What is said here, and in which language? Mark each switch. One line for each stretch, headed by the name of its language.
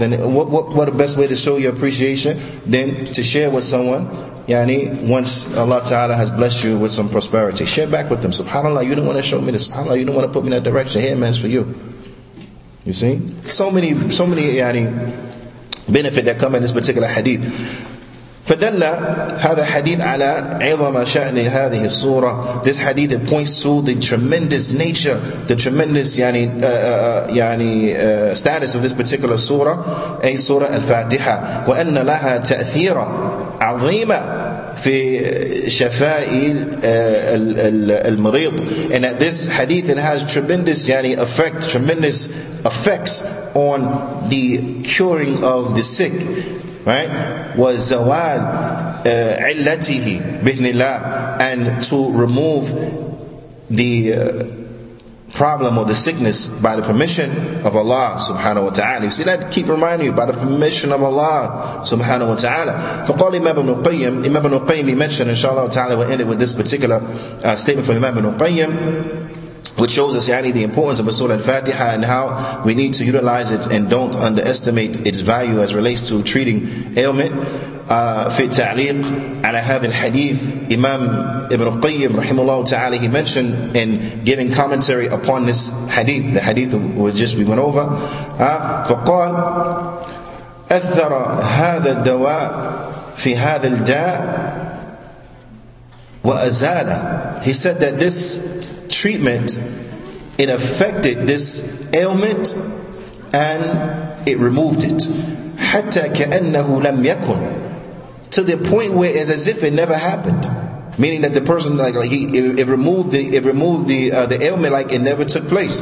English: And what the best way to show your appreciation than to share with someone, once Allah Ta'ala has blessed you with some prosperity. Share back with them. SubhanAllah, you don't want to show me this. SubhanAllah, you don't want to put me in that direction. Here, man, it's for you. You see? So many benefit that come in this particular hadith.
Arabic: فدل هذا الحديث على عظم شأن هذه الصورة.
English: This hadith, it points to the tremendous nature, the tremendous status of this particular surah,
Arabic: أي سورة الفاتحة. وأن لها تأثيرا عظيما في شفاء المريض.
English: And that this hadith, it has tremendous effects on the curing of the sick. Right?
Arabic: وَزَوَالْ عِلَّتِهِ بِإِذْنِ اللَّهِ,
English: and to remove the problem or the sickness by the permission of Allah subhanahu wa ta'ala. You see that? Keep reminding you, by the permission of Allah subhanahu wa ta'ala.
Arabic: فَقَالِ إِمَّا بَنُ قَيِّمْ.
English: إِمَّا بَنُ قَيِّمْ, he mentioned, inshallah ta'ala, we'll end it with this particular statement from إِمَّا بَنُ قَيِّمْ, which shows us the importance of a surah al-Fatiha and how we need to utilize it and don't underestimate its value as relates to treating ailment.
Arabic: في التعليق على هذا الحديث,
English: Imam Ibn Qayyim rahimahullah ta'ala, he mentioned in giving commentary upon this hadith, the hadith we went over,
Arabic: فقال أثر هذا الدواء في هذا الداء وأزاله.
English: He said that this treatment, it affected this ailment and it removed it.
Arabic: حَتَّى كَأَنَّهُ لَمْ يَكُنْ,
English: to the point where it's as if it never happened. Meaning that the person, it removed the ailment like it never took place.